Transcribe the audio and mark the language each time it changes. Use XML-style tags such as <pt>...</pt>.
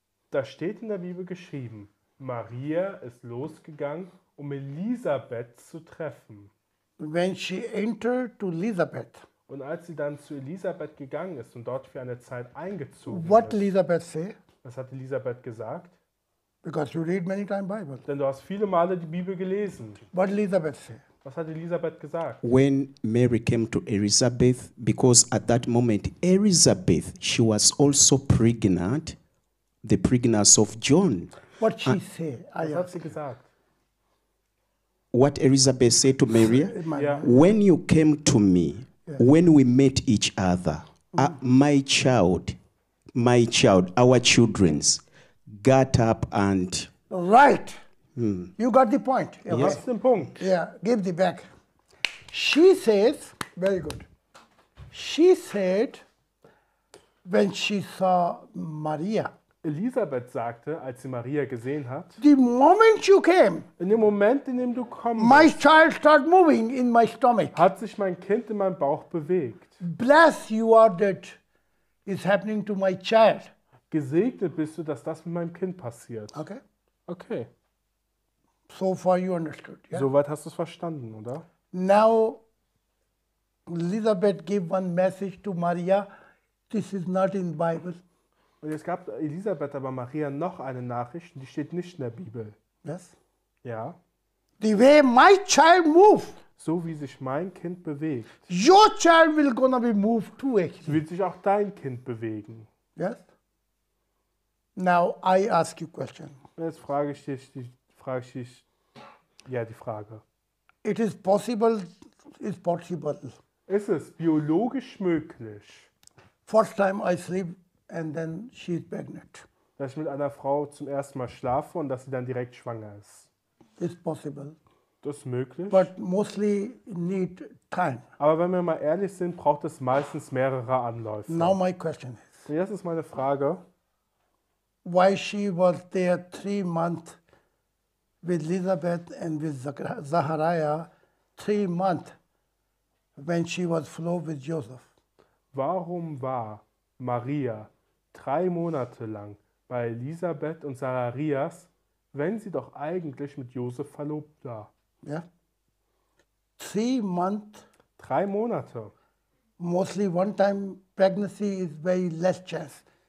<de>Da steht in der Bibel geschrieben, Maria ist losgegangen, um Elisabeth zu treffen.</de> <en>When she entered to Elizabeth.</en> <de>Und als sie dann zu Elisabeth gegangen ist und dort für eine Zeit eingezogen ist.</de> <en>What Elizabeth say?</en> <de>Was hat Elisabeth gesagt?</de> <en>Because you read many times Bible.</en> <de>Denn du hast viele Male die Bibel gelesen.</de> <en>What Elizabeth say?</en> <de>Was hat Elisabeth gesagt?</de> <en>When Mary came to Elizabeth, because at that moment Elizabeth, she was also pregnant, the pregnancy of John. What she say?</en> <de>Was hat sie gesagt?</de> <en>What Elizabeth said to Mary? When you came to me, when we met each other, my child, our children's, got up and... Right. You got the point. Yes.</en> <de>Was den Punkt.</de> <en>Yeah, give the back. She says, very good. She said, when she saw Maria.</en> <de>Elisabeth sagte, als sie Maria gesehen hat.</de> <en>The moment you came.</en> <de>In dem Moment, in dem du kommst.</de> <en>My child started moving in my stomach.</en> <de>Hat sich mein Kind in meinem Bauch bewegt.</de> <en>Bless you are that is happening to my child.</en> <de>Gesegnet bist du, dass das mit meinem Kind passiert. Okay. Okay.</de> <en>So far you understood. Yeah?</en> <de>Soweit hast du es verstanden, oder?</de> <en>Now, Elizabeth gave one message to Maria. This is not in the Bible.</en> <de>Und es gab Elisabeth aber Maria noch eine Nachricht, die steht nicht in der Bibel. Was? Ja.</de> <en>The way my child moved.</en> <de>So wie sich mein Kind bewegt.</de> <en>Your child will gonna be moved too, actually.</en> <de>Wird sich auch dein Kind bewegen.</de> <en>Yes? Now I ask you a question.</en> <de>Jetzt frage ich dich, die Frage.</de> <en>It is possible, it's possible.</en> <de>Ist es biologisch möglich?</de> <en>First time I sleep and then she is pregnant.</en> <de>Dass ich mit einer Frau zum ersten Mal schlafe und dass sie dann direkt schwanger ist.</de> <en>It's possible.</en> <de>Das ist möglich.</de> <en>But mostly need time.</en> <de>Aber wenn wir mal ehrlich sind, braucht es meistens mehrere Anläufe.</de> <en>Now my question is.</en> <de>Und jetzt ist meine Frage.</de> <en>Why she was there 3 months with Elizabeth and with Zachariah, 3 months when she was flown with Joseph?</en> <de>Warum war Maria 3 Monate lang bei Elisabeth und Zacharias, wenn sie doch eigentlich mit Joseph verlobt war?</de> <en>Ja. 3 months.</en> <de>3 Monate.</de> <en>Mostly one time pregnancy is very less chance.</en>